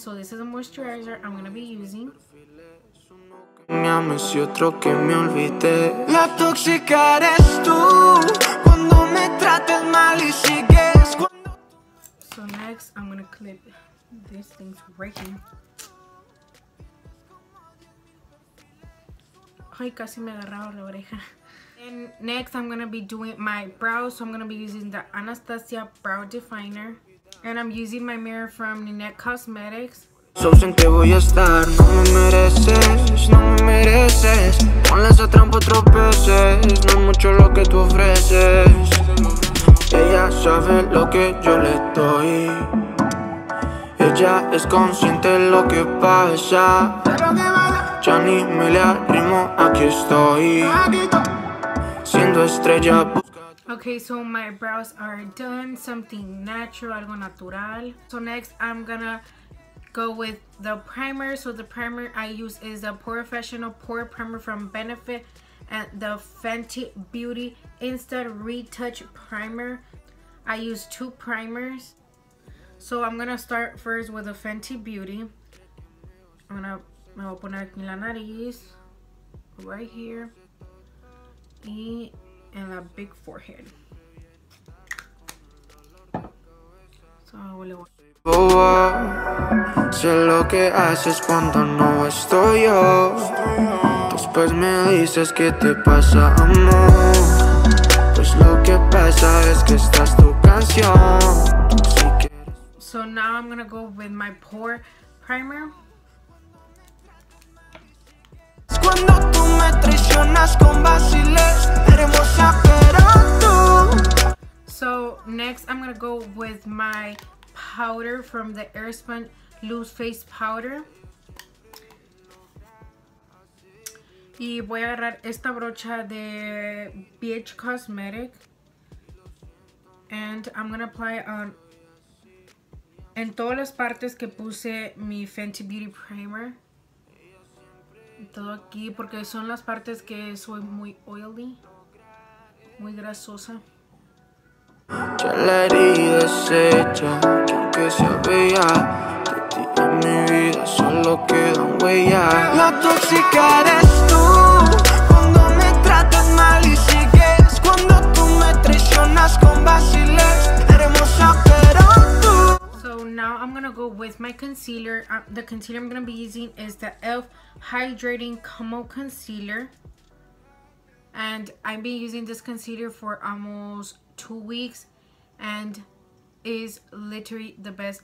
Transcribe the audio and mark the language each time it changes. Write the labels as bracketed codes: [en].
[en] So this is a moisturizer I'm gonna be using. [es] Me ames y otro que me olvidé. La tóxica eres tú cuando me tratas mal y sigues. [en] So next I'm gonna clip this thing right here. [es] Ay, casi me agarraba la oreja. [en] And next, I'm gonna be doing my brows. So I'm gonna be using the Anastasia Brow Definer. And I'm using my mirror from Ninette Cosmetics. [es] So ausente voy a estar, no me mereces, no me mereces. Con esa trampa tropeces, no es mucho lo que tú ofreces. Ella sabe lo que yo le doy. Ella es consciente de lo que pasa. Ya ni me le arrimo, aquí estoy. Siendo estrella. [en] Okay, so my brows are done. Something natural, [es] algo natural. [en] So next, I'm gonna go with the primer. So the primer I use is the Pore Professional Pore Primer from Benefit and the Fenty Beauty Instant Retouch Primer. I use two primers. So I'm gonna start first with the Fenty Beauty. [es] Me voy a poner aquí en la nariz, [en] right here, [es] y en la [en] big forehead. [es] So, le voy a... Boa, sé lo que haces cuando no estoy yo. Después me dices qué te pasa, amor. Pues lo que pasa es que esta es tu canción. Si quieres... [en] So now I'm gonna go with my pore primer. [es] Cuando tú me traicionas con vaciles, hermosa, pero tú. [en] So next I'm gonna go with my powder from the Airspun Loose Face Powder. [es] Y voy a agarrar esta brocha de BH Cosmetic. [en] And I'm gonna apply on [es] en todas las partes que puse mi Fenty Beauty Primer. Todo aquí porque son las partes que soy muy oily, muy grasosa. Ya la herida es hecha, aunque sea bella, de ti en mi vida solo quedan huellas. La tóxica eres tú cuando me tratas mal y sigues. Cuando tú me traicionas con vaciles, hermosa, pero tú. [en] So now I'm gonna go with my concealer. The concealer I'm gonna be using is the e.l.f. Hydrating Como Concealer, and I've been using this concealer for almost 2 weeks and is literally the best.